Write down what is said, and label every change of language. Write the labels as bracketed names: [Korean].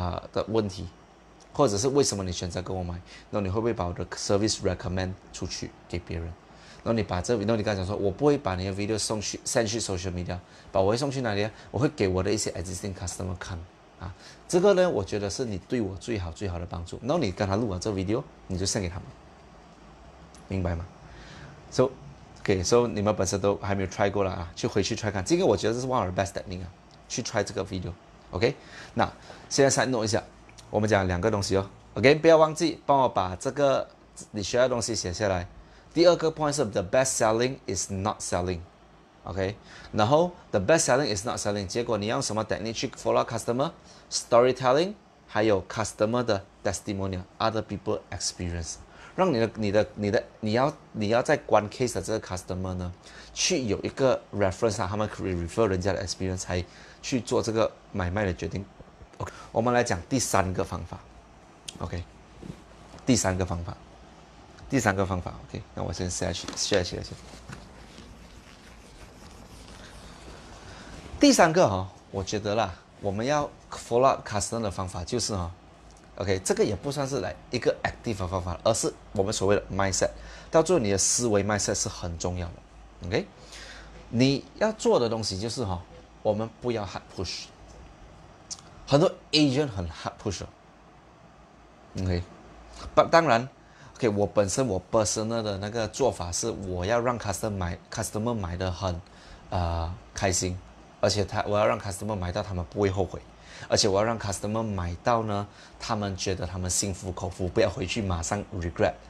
[Chinese] 的问题，或者是为什么你选择跟我买，那你会不会把我的 service recommend 出去给别人，那你把这，那你刚才讲说我不会把你的 video send去 social media， 把我会送去哪里，我会给我的一些 existing customer 看啊，这个呢我觉得是你对我最好的帮助，那你跟他录了这 video 你就send 给他们，明白吗？ So OK， Okay, so 你们本身都还没有 try 过了啊，去回去 try 看。这个我觉得这是 [English] one of the best technique [Chinese] 啊，去 try 这个 video。 Okay, 那现在 side note 一下，我们讲两个东西哦。 Okay, 不要忘记帮我把这个你需要的东西写下来。第二个 point 是 [English] the best selling is not selling。 [Chinese] Okay, 然后 [English] the best selling is not selling。 [Chinese] 结果你用什么 technique 去 follow customer storytelling， 还有 customer 的 testimonial， [English] other people experience。 [Chinese] 让你要在关 case 的这个 customer 呢，去有一个 reference 啊，他们可以 refer 人家的 experience 才去做这个买卖的决定。 OK， 我们来讲第三个方法。 OK， 第三个方法。 OK， 那我先 share 先。第三个哈、哦，我觉得啦，我们要 follow up customer 的方法就是哈、哦。 OK， 这个也不算是来一个 active 的方法，而是我们所谓的 mindset。到最后，你的思维 mindset 是很重要的。OK， 你要做的东西就是哈、哦，我们不要 hard push。很多 agent 很 hard push。 OK， but 当然 ，OK， 我本身我 personal 的那个做法是，我要让 customer 买的很开心，而且我要让 customer 买到他们不会后悔。而且我要让 customer 买到呢，他们觉得他们心服口服，不要回去马上 regret。